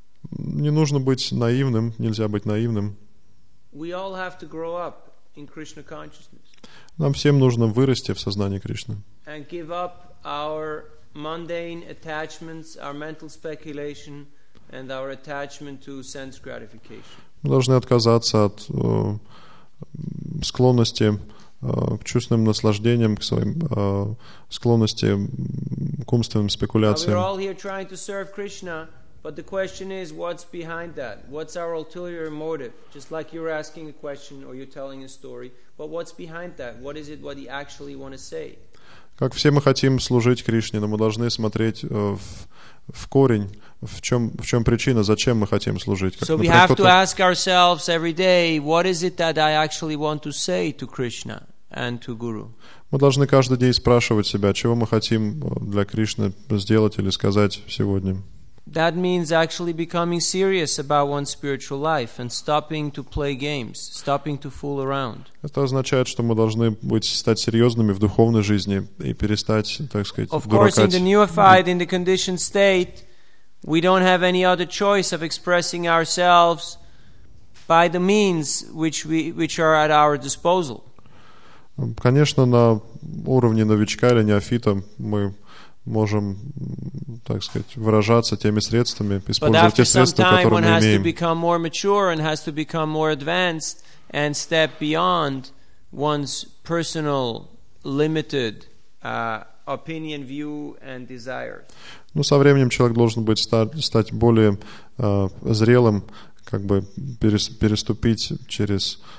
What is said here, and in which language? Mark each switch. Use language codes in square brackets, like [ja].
[ru] Не нужно быть наивным, нельзя быть наивным. [en] We all have to grow up in Krishna consciousness. [ru] Нам всем нужно вырасти в сознании Кришны. [en] And give up our mundane attachments, our mental speculation, and our attachment to sense gratification. [ru] Мы должны отказаться от склонности к чувственным наслаждениям, к своим склонности к умственным спекуляциям. [en] We're all here trying to serve Krishna. But the question is, what's behind that? What's our ulterior motive? Just like you're asking a question or you're telling a story, but what's behind that? What is it? What do you actually want to say? [ru] Как все мы хотим служить Кришне, но мы должны смотреть в корень, в чем причина, зачем мы хотим служить. [en] So we have to ask ourselves every day, what is it that I actually want to say to Krishna and to Guru? [ru] Мы должны каждый день спрашивать себя, чего мы хотим для Кришны сделать или сказать сегодня. [en] That means actually becoming serious about one's spiritual life and stopping to play games, stopping to fool around. [ru] Это означает, что мы должны стать серьезными в духовной жизни и перестать, так сказать, дуракать. [en] Of course, in the neophyte, in the conditioned state, we don't have any other choice of expressing ourselves by the means which are at our disposal. [ru] Конечно, на уровне новичка или неофита мы можем, так сказать, выражаться теми средствами, использовать те средства, которые мы имеем. [en] But after some time, one has to become more mature and has to become more advanced and step beyond one's personal limited opinion, view and desire. [ru] Ну, со временем человек должен быть стать более зрелым, как бы переступить через